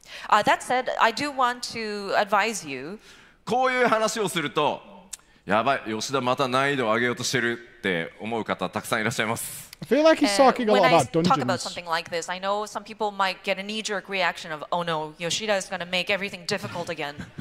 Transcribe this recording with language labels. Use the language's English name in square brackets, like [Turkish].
[English] That said, I do want to advise you. [Japanese] こういう話をすると、やばい、吉田また難易度を上げようとしてるって思う方たくさんいらっしゃいます。 [English] I feel like he's talking a lot about dungeons. When I talk about something like this, I know some people might get a knee-jerk reaction of, oh no, Yoshida is going to make everything difficult again.